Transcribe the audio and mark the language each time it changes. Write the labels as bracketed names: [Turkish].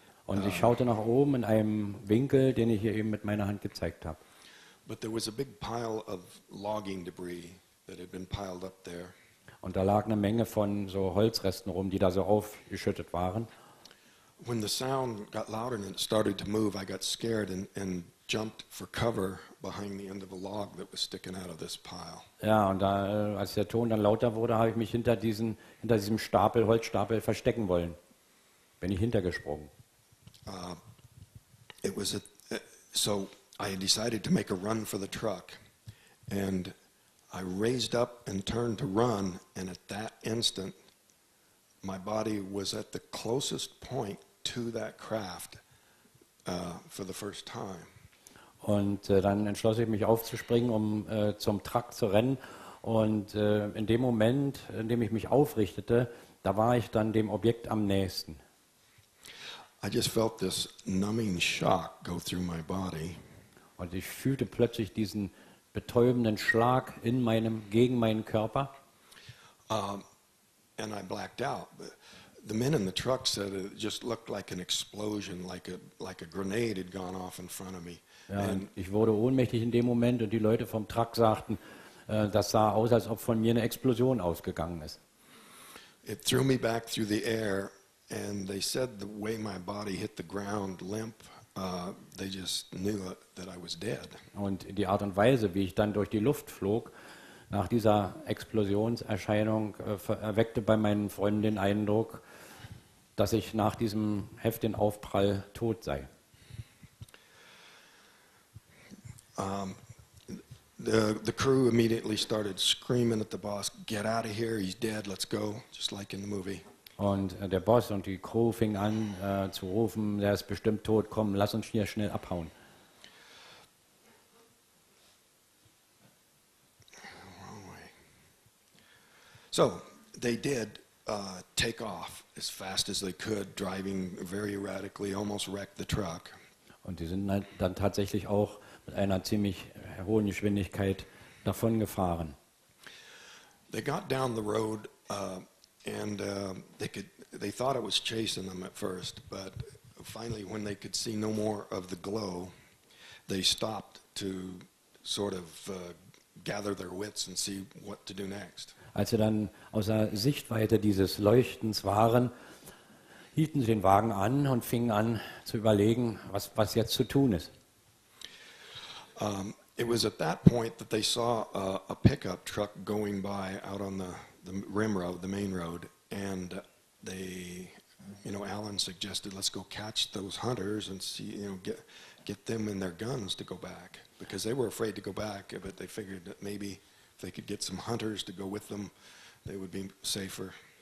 [German] Und ich schaute nach oben in einem Winkel, den ich hier eben mit meiner Hand gezeigt habe. [English] But there was a big pile of logging debris that had been piled up there. [German] Und da lag eine Menge von so Holzresten rum, die da so aufgeschüttet waren. [English] When the sound got louder and it started to move, I got scared and jumped for cover behind the end of a log that was sticking out of this pile. [German] Ja, und da, als der Ton dann lauter wurde, habe ich mich hinter diesem Stapel, Holzstapel verstecken wollen. Bin ich hintergesprungen. [English] So I decided to make a run for the truck and I raised up and turned to run, and at that instant my body was at the closest point to that craft for the first time. [German] Und dann entschloss ich mich aufzuspringen, um zum Truck zu rennen, und in dem Moment, in dem ich mich aufrichtete, da war ich dann dem Objekt am nächsten. [English] I just felt this numbing shock go through my body. [German] Und ich fühlte plötzlich diesen betäubenden Schlag in meinem, gegen meinen Körper. [English] And I blacked out. The men in the truck said it just looked like an explosion, like a grenade had gone off in front of me. [German] Ja, and ich wurde ohnmächtig in dem Moment, und die Leute vom Truck sagten, das sah aus, als ob von mir eine Explosion ausgegangen ist. [English] It threw me back through the air. And they said the way my body hit the ground limp, they just knew that I was dead. [German] Und die Art und Weise, wie ich dann durch die Luft flog nach dieser Explosionserscheinung, erweckte bei meinen Freunden den Eindruck, dass ich nach diesem heftigen Aufprall tot sei. [English] The crew immediately started screaming at the boss, "Get out of here, he's dead, let's go," just like in the movie. [German] Und der Boss und die Crew fing an zu rufen, der ist bestimmt tot, komm, lass uns hier schnell abhauen. [English] So, they did take off as fast as they could, driving very erratically, almost wrecked the truck. [German] Und die sind dann tatsächlich auch mit einer ziemlich hohen Geschwindigkeit davon gefahren. [English] They got down the road and they thought it was chasing them at first, but finally when they could see no more of the glow, they stopped to sort of gather their wits and see what to do next. [German] Als sie dann außer Sichtweite dieses Leuchtens waren, hielten sie den Wagen an und fingen an zu überlegen, was jetzt zu tun ist. [English] It was at that point that they saw a pickup truck going by out on the rim road, the main road, and they, you know, Alan suggested, let's go catch those hunters and see, you know, get them and their guns to go back, because they were afraid to go back, but they figured that maybe if they could get some hunters to go with them, they would be safer.